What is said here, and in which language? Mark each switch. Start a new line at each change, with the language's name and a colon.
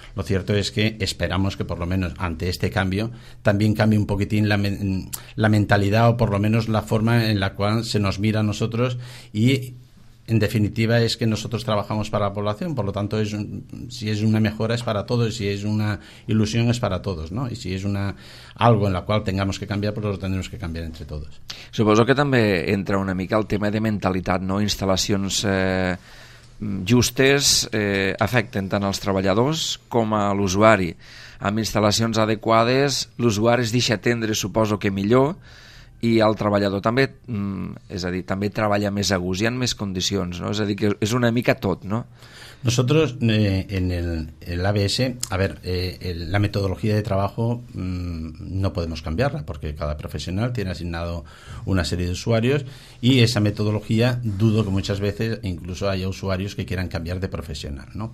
Spanish: Lo cierto es que esperamos que, por lo menos, ante este cambio, también cambie un poquitín la mentalidad, o por lo menos la forma en la cual se nos mira a nosotros. Y en definitiva es que nosotros trabajamos para la población, por lo tanto si es una mejora es para todos, si es una ilusión es para todos, ¿no? Y si es algo en la cual tengamos que cambiar, pues lo tendremos que cambiar entre todos.
Catalan: Suposo que també entra una mica el tema de mentalitat, no? Instal·lacions justes afecten tant els treballadors com a l'usuari. Amb instal·lacions adequades, l'usuari es deixa atendre, suposo que millor, i el treballador també, és a dir, també treballa més a gust i en més condicions, no? És a dir, que és una mica tot, no?
Spanish: Nosotros en el ABS, a ver, la metodología de trabajo no podemos cambiarla porque cada profesional tiene asignado una serie de usuarios y esa metodología dudo que muchas veces incluso haya usuarios que quieran cambiar de profesional, ¿no?